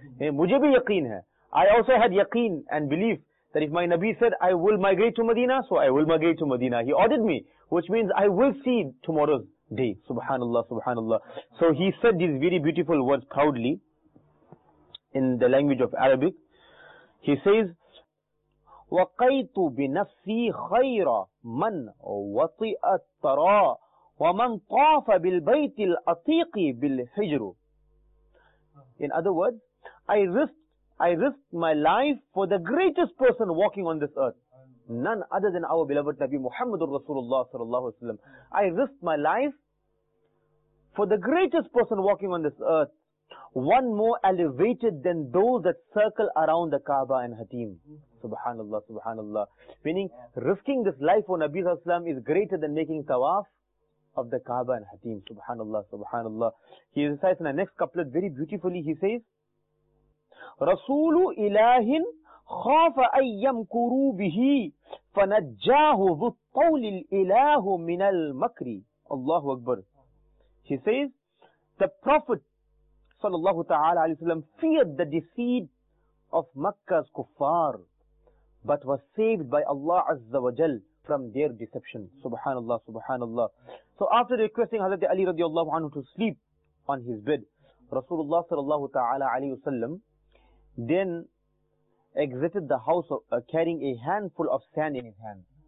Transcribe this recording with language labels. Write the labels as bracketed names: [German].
[Urdu] Mujhe bhi yaqeen hai. [English] I also had yaqeen and belief that if my Nabi said, I will migrate to Medina, so I will migrate to Medina. He ordered me, which means I will see tomorrow's day. Subhanallah, subhanallah. So he said these very beautiful words proudly in the language of Arabic. [Arabic] He says, وَقَيْتُ بِنَفْسِي خَيْرًا مَنْ وَطِئَ التَّرَى وَمَنْ طَافَ بِالْبَيْتِ الْأَطِيقِ بِالْحِجْرُ. [English] In other words, I risked my life for the greatest person walking on this earth. none other than our beloved Nabi Muhammadur Rasulullah sallallahu alaihi wasallam. I risked my life for the greatest person walking on this earth, one more elevated than those that circle around the Kaaba and Hatim. Subhanallah, subhanallah. Meaning, risking this life for Nabi sallallahu alaihi wasallam is greater than making tawaf of the Kaaba and Hatim. Subhanallah, subhanallah. He recites in the next couplet very beautifully. [Arabic] He says, Rasulu ilahin خاف أن يمكروا به فنجاه ذو الطول الإله من المكر. Allahu Akbar. [English] He says, the Prophet sallallahu ta'ala alayhi wa sallam feared the deceit of Makkah's kuffar, but was saved by Allah Azza wa Jal from their deception. Subhanallah, subhanallah. So after requesting Hazrat Ali radiallahu anhu to sleep on his bed, Rasulullah sallallahu ta'ala alayhi wa sallam then exited the house of, carrying a handful of sand in his hand.